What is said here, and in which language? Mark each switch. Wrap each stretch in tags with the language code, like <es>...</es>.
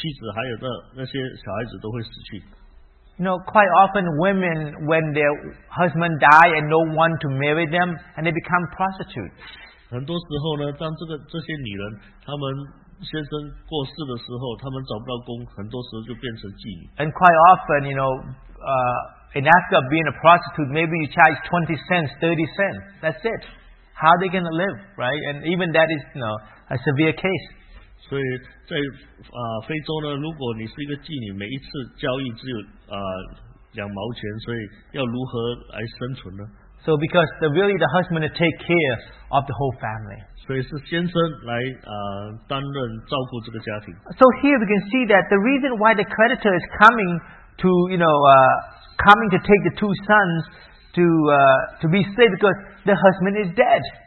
<zh>如果他选择一个妻子，把其他四个妻子休了后，这其他四个妻子还有那些小孩子都会死去。</zh> <en>No, quite often women, when their husband die and no one to marry them, and they become prostitutes.</en> <zh>很多时候呢，当这些女人他们 先生过世的时候，他们找不到工，很多时候就变成妓女。</zh> <en>And quite often, you know, in Africa, being a prostitute, maybe you charge 20 cents, 30 cents. That's it. How are they going to live, right? And even that is, you know, a severe case.</en> <zh>所以在非洲呢，如果你是一个妓女，每一次交易只有两毛钱，所以要如何来生存呢？</zh> <en>So because the really the husband to take care of the whole family.</en> <zh>所以是先生来担任照顾这个家庭。</zh> <en>So here we can see that the reason why the creditor is coming to, you know, coming to take the two sons to be saved because the husband is dead.</en>